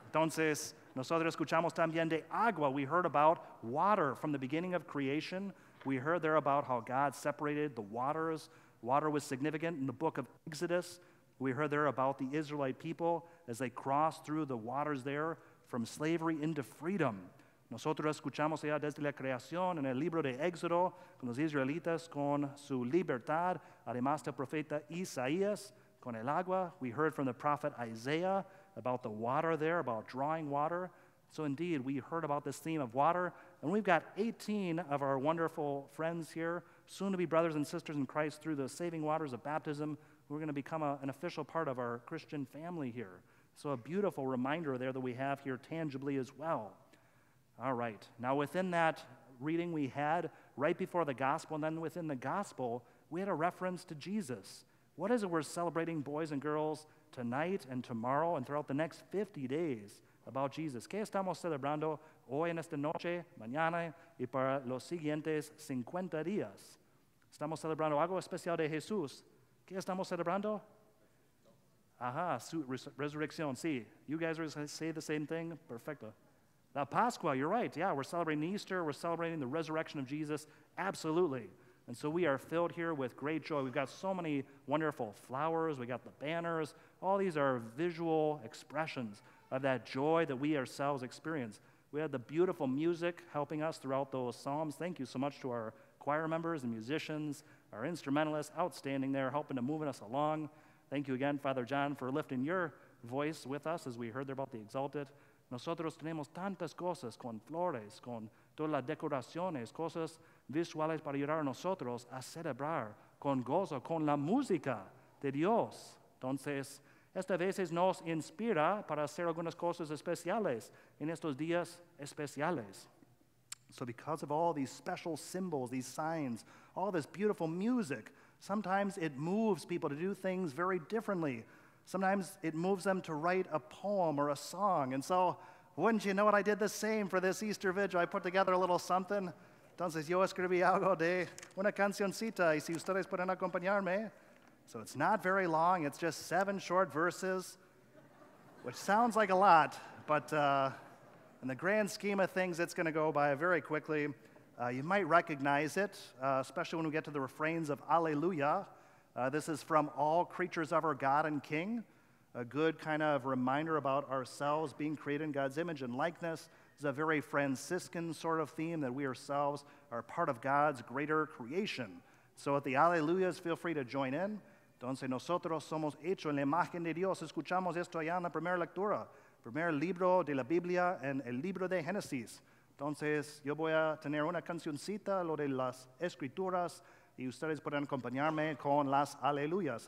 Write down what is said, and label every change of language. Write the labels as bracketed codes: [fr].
[es] Entonces, nosotros escuchamos también de agua. [en] We heard about water from the beginning of creation. We heard there about how God separated the waters. Water was significant in the book of Exodus. We heard there about the Israelite people as they crossed through the waters there from slavery into freedom. [es] Nosotros escuchamos allá desde la creación en el libro de Éxodo con los israelitas con su libertad. Además del profeta Isaías con el agua. [en] We heard from the prophet Isaiah about the water there, about drawing water. So indeed, we heard about this theme of water. And we've got 18 of our wonderful friends here, soon to be brothers and sisters in Christ through the saving waters of baptism, who are going to become an official part of our Christian family here. So a beautiful reminder there that we have here tangibly as well. All right. Now within that reading we had right before the gospel, and then within the gospel, we had a reference to Jesus. What is it we're celebrating, boys and girls, tonight and tomorrow and throughout the next 50 days about Jesus? [es] ¿Qué estamos celebrando hoy en esta noche, mañana y para los siguientes 50 días? ¿Estamos celebrando algo especial de Jesús? ¿Qué estamos celebrando? Ajá, su resurrección, sí. [en] You guys are going to say the same thing? [es] Perfecto. La Pascua, [en] you're right. Yeah, we're celebrating Easter. We're celebrating the resurrection of Jesus. Absolutely. And so we are filled here with great joy. We've got so many wonderful flowers. We got the banners. All these are visual expressions of that joy that we ourselves experience. We had the beautiful music helping us throughout those psalms. Thank you so much to our choir members and musicians, our instrumentalists, outstanding there, helping to move us along. Thank you again, Father John, for lifting your voice with us as we heard there about the exalted. [es] Nosotros tenemos tantas cosas con flores, con todas las decoraciones, cosas visuales para ayudar a nosotros a celebrar con gozo, con la música de Dios. Entonces, esta vez nos inspira para hacer algunas cosas especiales en estos días especiales. [en] So because of all these special symbols, these signs, all this beautiful music, sometimes it moves people to do things very differently. Sometimes it moves them to write a poem or a song. And so, wouldn't you know it, I did the same for this Easter vigil. I put together a little something. [es] Entonces, yo escribí algo de una cancioncita, y si ustedes pueden acompañarme. [en] So it's not very long, it's just 7 short verses, which sounds like a lot, but in the grand scheme of things, it's going to go by very quickly. You might recognize it, especially when we get to the refrains of Alleluia. This is from All Creatures of Our God and King, a good kind of reminder about ourselves being created in God's image and likeness. It's a very Franciscan sort of theme that we ourselves are part of God's greater creation. So at the Alleluias, feel free to join in. [es] Entonces, nosotros somos hechos en la imagen de Dios. Escuchamos esto allá en la primera lectura. Primer libro de la Biblia en el libro de Génesis. Entonces, yo voy a tener una cancioncita, lo de las escrituras, y ustedes pueden acompañarme con las aleluyas.